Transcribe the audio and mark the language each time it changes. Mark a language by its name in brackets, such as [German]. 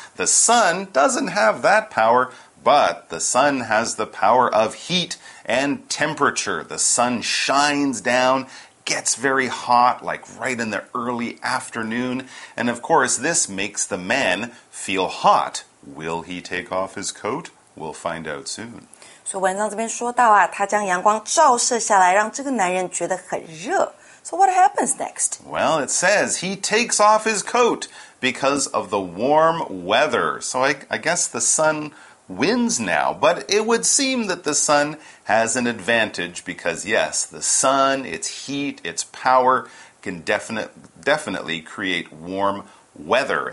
[English] The sun doesn't have that power, but the sun has the power of heatAnd temperature, the sun shines down, gets very hot, like right in the early afternoon. And of course, this makes the man feel hot. Will he take off his coat? We'll find out soon. So [Chinese] 文章这边说到啊，他将阳光照射下来，让这个男人觉得很热。 [English] So what happens next? Well, it says he takes off his coat because of the warm weather. So I guess the sun... wins now, but it would seem that the sun has an advantage because, yes, the sun, its heat, its power can definitely create warm weather.